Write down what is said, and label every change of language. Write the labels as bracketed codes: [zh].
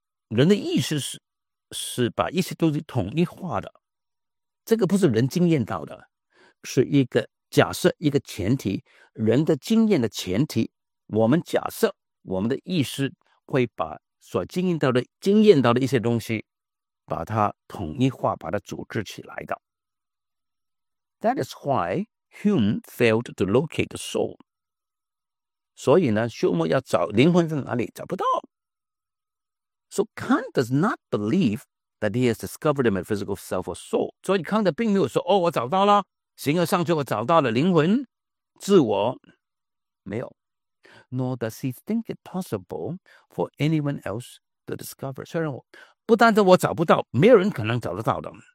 [zh] 人的意识 是把一些东西统一化的，这个不是人经验到的，是一个假设，一个前提，人的经验的前提，我们假设我们的意识会把所经验到的一些东西把它统一化，把它组织起来的。 [en] That is why Hume failed to locate the soul。 [zh] 所以呢，休谟要找灵魂在哪里，找不到。 [en] So Kant does not believe that he has discovered a metaphysical self or soul. [zh] 所以康德并没有说，哦，我找到了，形而上学，我找到了灵魂、自我，没有。 [en] Nor does he think it possible for anyone else to discover. [zh] 虽然我不单单我找不到，没有人可能找得到的。